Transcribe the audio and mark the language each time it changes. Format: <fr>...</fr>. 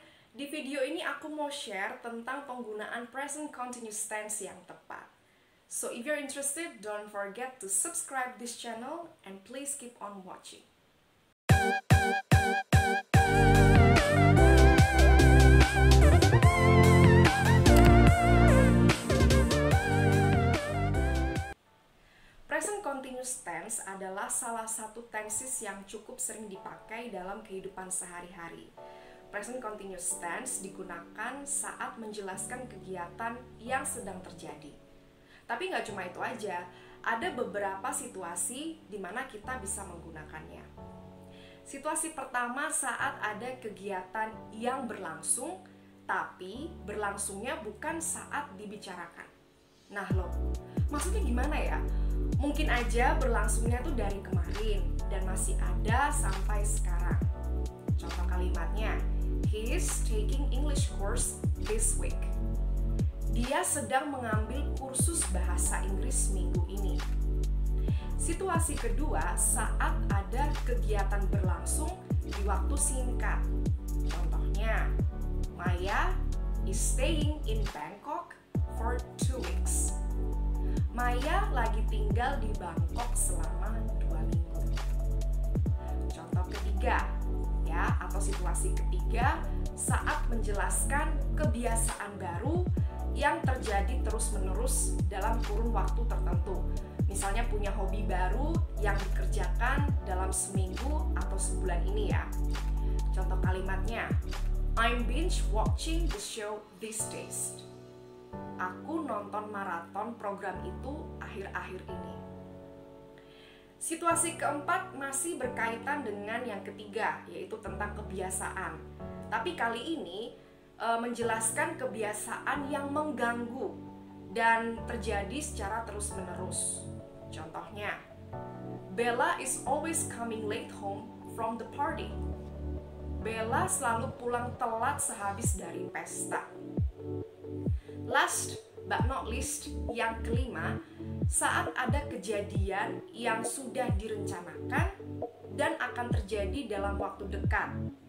<id>Di video ini aku mau share tentang penggunaan present continuous tense yang tepat.</id> <en>So if you're interested, don't forget to subscribe this channel and please keep on watching.</en> <id>Present continuous tense adalah salah satu tenses yang cukup sering dipakai dalam kehidupan sehari-hari. Present continuous tense digunakan saat menjelaskan kegiatan yang sedang terjadi. Tapi nggak cuma itu aja, ada beberapa situasi di mana kita bisa menggunakannya. Situasi pertama saat ada kegiatan yang berlangsung, tapi berlangsungnya bukan saat dibicarakan. Nah loh, maksudnya gimana ya? Mungkin aja berlangsungnya tuh dari kemarin dan masih ada sampai sekarang. Contoh kalimatnya,</id> <en>he is taking English course this week.</en> <id>Dia sedang mengambil kursus bahasa Inggris minggu ini. Situasi kedua saat ada kegiatan berlangsung di waktu singkat. Contohnya,</id> <en>Maya is staying in Bangkok for 2 weeks.</en> <id>Maya lagi tinggal di Bangkok selama 2 minggu. Contoh ketiga, ya, atau situasi ketiga saat menjelaskan kebiasaan baru yang terjadi terus-menerus dalam kurun waktu tertentu. Misalnya punya hobi baru yang dikerjakan dalam seminggu atau sebulan ini ya. Contoh kalimatnya,</id> <en>I'm binge watching the show these days.</en> <id>Aku nonton maraton program itu akhir-akhir ini. Situasi keempat masih berkaitan dengan yang ketiga, yaitu tentang kebiasaan. Tapi kali ini menjelaskan kebiasaan yang mengganggu dan terjadi secara terus-menerus. Contohnya,</id> <en>Bella is always coming late home from the party.</en> <id>Bella selalu pulang telat sehabis dari pesta.</id> <en>Last but not least,</en> <id>yang kelima, saat ada kejadian yang sudah direncanakan dan akan terjadi dalam waktu dekat.</id>